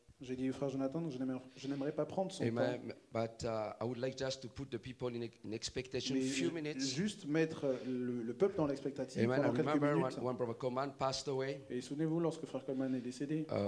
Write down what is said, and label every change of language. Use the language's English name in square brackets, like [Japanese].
[French] J'ai dit au frère Jonathan, je n'aimerais pas prendre son temps. [English] But I would like just to put the people in expectation a few minutes. [French] Juste mettre le peuple dans l'expectative pendant quelques minutes. [English] Amen. Remember when Brother Coleman passed away. [French] Et souvenez-vous lorsque frère Coleman est décédé.